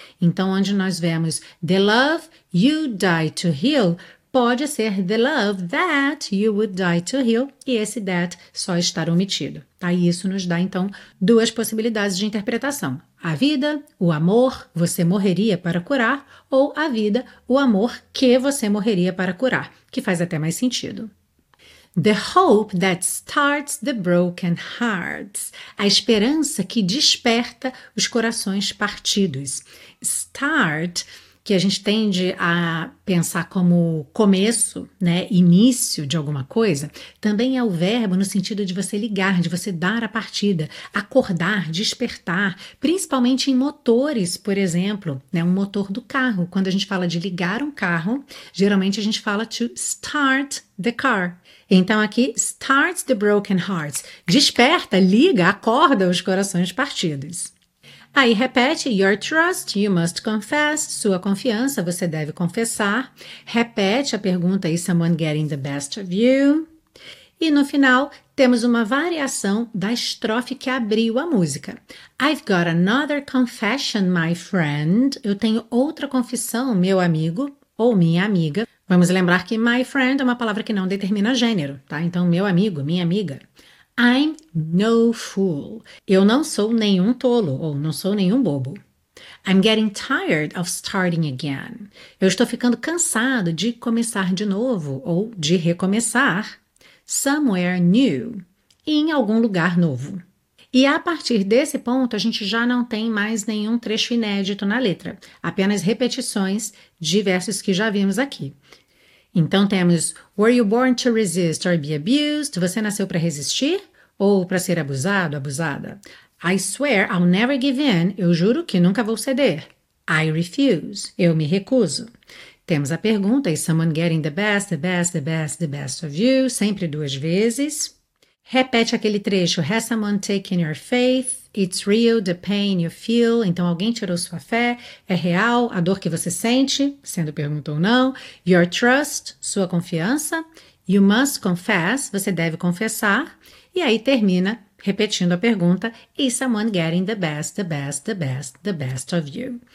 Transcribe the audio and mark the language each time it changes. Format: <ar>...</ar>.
<pt>Então, onde nós vemos</pt> <en>the love you die to heal,</en> <pt>pode ser</pt> <en>the love that you would die to heal,</en> <pt>e esse</pt> <en>that</en> <pt>só estar omitido. Tá? E isso nos dá, então, duas possibilidades de interpretação: a vida, o amor, você morreria para curar, ou a vida, o amor que você morreria para curar, que faz até mais sentido.</pt> <en>The hope that starts the broken hearts.</en> <pt>A esperança que desperta os corações partidos. Start, que a gente tende a pensar como começo, né, início de alguma coisa, também é o verbo no sentido de você ligar, de você dar a partida, acordar, despertar, principalmente em motores, por exemplo, né, um motor do carro. Quando a gente fala de ligar um carro, geralmente a gente fala</pt> <en>to start the car.</en> <pt>Então, aqui,</pt> <en>starts the broken hearts.</en> <pt>Desperta, liga, acorda os corações partidos. Aí, repete,</pt> <en>your trust, you must confess.</en> <pt>Sua confiança, você deve confessar. Repete a pergunta,</pt> <en>is someone getting the best of you?</en> <pt>E no final, temos uma variação da estrofe que abriu a música.</pt> <en>I've got another confession, my friend.</en> <pt>Eu tenho outra confissão, meu amigo ou minha amiga. Vamos lembrar que my friend é uma palavra que não determina gênero, tá? Então, meu amigo, minha amiga.</pt> <en>I'm no fool.</en> <pt>Eu não sou nenhum tolo ou não sou nenhum bobo.</pt> <en>I'm getting tired of starting again.</en> <pt>Eu estou ficando cansado de começar de novo ou de recomeçar.</pt> <en>Somewhere new.</en> <pt>Em algum lugar novo. E a partir desse ponto, a gente já não tem mais nenhum trecho inédito na letra, apenas repetições de versos que já vimos aqui. Então temos:</pt> <en>Were you born to resist or be abused?</en> <pt>Você nasceu para resistir ou para ser abusado, abusada?</pt> <en>I swear I'll never give in.</en> <pt>Eu juro que nunca vou ceder.</pt> <en>I refuse.</en> <pt>Eu me recuso. Temos a pergunta:</pt> <en>Is someone getting the best of you?</en> <pt>Sempre duas vezes. Repete aquele trecho:</pt> <en>Has someone taken your faith? It's real, the pain you feel.</en> <pt>Então, alguém tirou sua fé? É real a dor que você sente? Sendo pergunta ou não.</pt> <en>Your trust,</en> <pt>sua confiança.</pt> <en>You must confess,</en> <pt>você deve confessar. E aí termina repetindo a pergunta:</pt> <en>Is someone getting the best of you?</en>